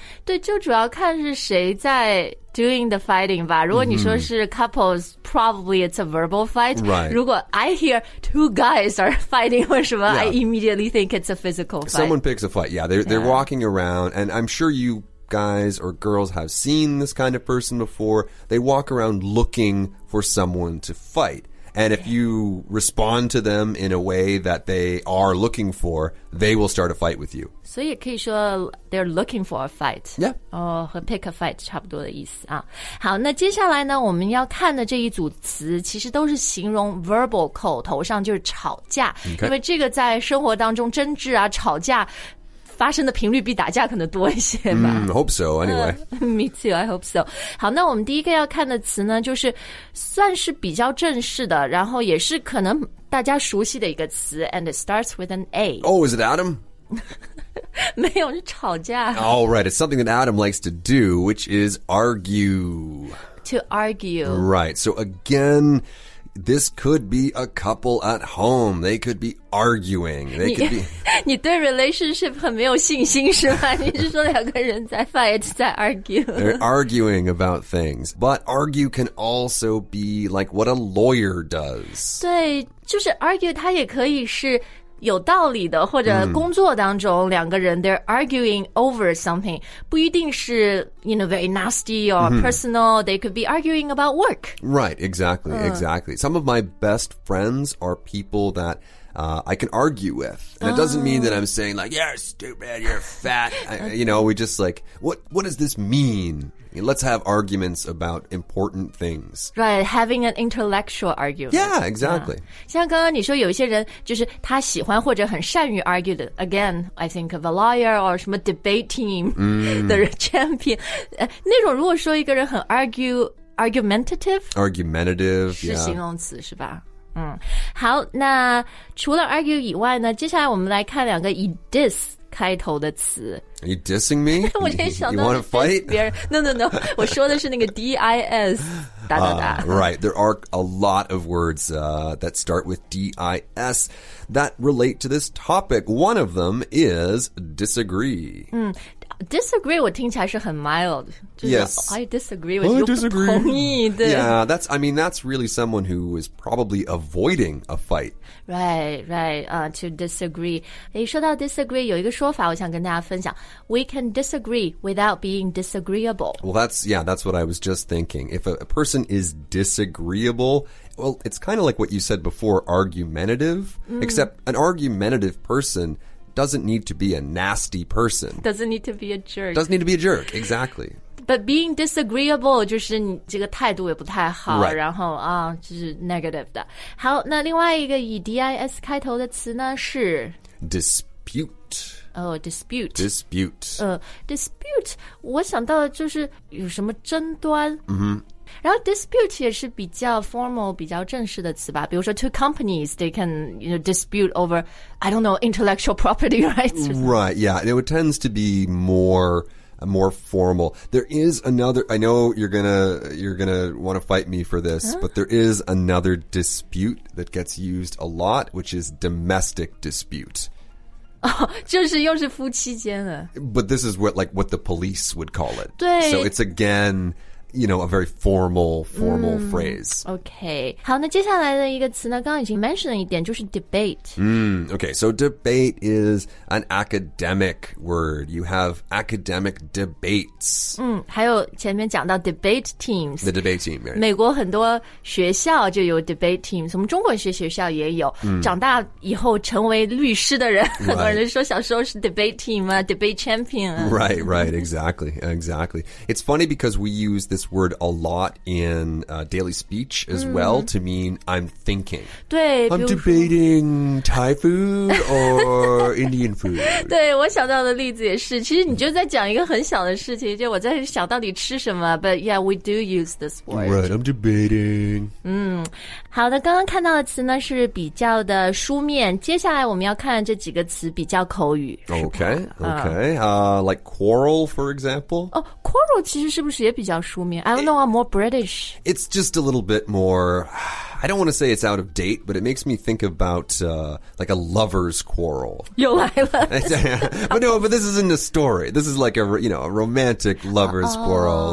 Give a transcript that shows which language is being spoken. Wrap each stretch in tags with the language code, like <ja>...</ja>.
<zh>对，就主要看是谁在</zh> <en>doing the fighting</en> <zh>吧。如果你说是 couples,、mm-hmm.</zh> <en>probably it's a verbal fight.、 Right.</en> <zh>如果</zh> <en>I hear two guys are fighting</en> <zh>或什么、</zh> <en>yeah. I immediately think it's a physical fight. Someone picks a fight, yeah. They're walking around, and I'm sure you guys or girls have seen this kind of person before. They walk around looking for someone to fight. And if you respond to them in a way that they are looking for, they will start a fight with you.</en> <zh>所以也可以说</zh> <en>they're looking for a fight. Yeah.</en> <zh>哦、oh, ，和</zh> <en>pick a fight</en> <zh>差不多的意思啊。好，那接下来呢，我们要看的这一组词其实都是形容 verbal 口头上就是吵架，</zh> <en>okay.</en> <zh>因为这个在生活当中争执啊、吵架发生的频率比打架可能多一些吧。</zh> <en>Hope so. Anyway. Me too. I hope so.</en> <zh>好，那我们第一个要看的词呢，就是算是比较正式的，然后也是可能大家熟悉的一个词 ，</zh> <en>and it starts with an A. Oh, is it Adam?</en> <zh>没有，是吵架。</zh> <en>Oh, right. It's something that Adam likes to do, which is argue. To argue. Right. So again, this could be a couple at home. They could be arguing. They could be...</en> <zh>你对 relationship 很没有信心是吧？你是说两个人在 fight, 在 argue?</zh> <en>They're arguing about things. But argue can also be like what a lawyer does.</en> <zh>对，就是</zh> <en>argue</en> <zh>它也可以是有道理的，或者工作当中两个人</zh> <en>they're arguing over something,</en> <zh>不一定是</zh> <en>you know, very nasty or personal, they could be arguing about work. Right, exactly, exactly. Some of my best friends are people thatI can argue with. And it doesn't mean that I'm saying like, you're stupid, you're fat. you know, we just like, what does this mean? You know, let's have arguments about important things. Right, having an intellectual argument. Yeah, exactly. Yeah.</en> <zh>像刚刚你说有一些人就是他喜欢或者很善于 argue.</zh> <en>Again, I think of a lawyer or</en> <zh>什么</zh> <en>debate team, the champion.</en> <zh>那种如果说一个人很 argumentative, 是形容词是吧？好，那除了 argue 以外呢，接下来我们来看两个以 dis 开头的词。</zh> <en>Are you dissing me?</en> <zh>我就想到</zh> <en>you wanna fight?</en> <zh>No, 我说的是那个 D-I-S, 打打打。</zh> <en>Right, there are a lot of words that start with D-I-S that relate to this topic. One of them is disagree.</en> <zh>Disagree 我听起来是很 mild.</zh> <en>Yes. I disagree with you. I disagree.</en> <zh>不同意的。</zh> <en>Yeah, that's, I mean, that's really someone who is probably avoiding a fight. Right, to disagree.</en> <zh>诶，说到 disagree, 有一个说法我想跟大家分享。</zh> <en>We can disagree without being disagreeable. Well, that's what I was just thinking. If a person is disagreeable, well, it's kind of like what you said before, argumentative,、mm. except an argumentative person... doesn't need to be a nasty person. Doesn't need to be a jerk. Doesn't need to be a jerk, exactly. But being disagreeable,</en> <zh>就是你这个态度也不太好、</zh> <en>right.</en> <zh>然后啊、就是 negative 的。好，那另外一个以 D-I-S 开头的词呢是</zh> <en>Dispute. Oh, dispute. Dispute.</en> <zh>Dispute, 我想到的就是有什么争端。嗯、mm-hmm. 然后</zh> <en>dispute</en> <zh>也是比较</zh> <en>formal,</en> <zh>比较正式的词吧。比如说</zh> <en>two companies, they can, you know, dispute over, I don't know, intellectual property rights. Right, yeah. It tends to be more formal. There is another, I know you're gonna want to fight me for this,、huh? but there is another dispute that gets used a lot, which is domestic dispute.</en> <zh>就是又是夫妻间的。</zh> <en>But this is what the police would call it.</en> <zh>对。</zh> <en>So it's again... You know, a very formal、mm, phrase. Okay.</en> <zh>好，那接下来的一个词呢，刚刚已经 mentioned 了一点，就是 debate.</zh> <en>Okay, so debate is an academic word. You have academic debates.</en> <zh>还有前面讲到 debate teams.</zh> <en>The debate team, right.</en> <zh>美国很多学校就有 debate teams, 我们中国一些学校也有。长大以后成为律师的人、</zh> <en>right.</en> <zh>很多人说小时候是 debate team 啊 ,debate champion 啊。</zh> <en>Right, right, exactly, exactly. It's funny because we use this word a lot in、daily speech as、mm. well to mean I'm thinking.</en> <zh>对</zh> <en>I'm debating Thai food or Indian food.</en> <zh>对我想到的例子也是其实你就在讲一个很小的事情就我在想到底吃什么</zh> <en>but yeah, we do use this word. Right, I'm debating.、</en> <zh>好的刚刚看到的词呢是比较的书面接下来我们要看这几个词比较口语。</zh> <en>Okay, like quarrel, for example.</en> <zh>Oh, quarrel 其实是不是也比较书面</zh> <en>I don't know, I'm more British. It's just a little bit more, I don't want to say it's out of date, but it makes me think about、like a lover's quarrel.</en> <zh>又来了。</zh> <en>But no, but this isn't a story. This is like a romantic lover's quarrel.</en>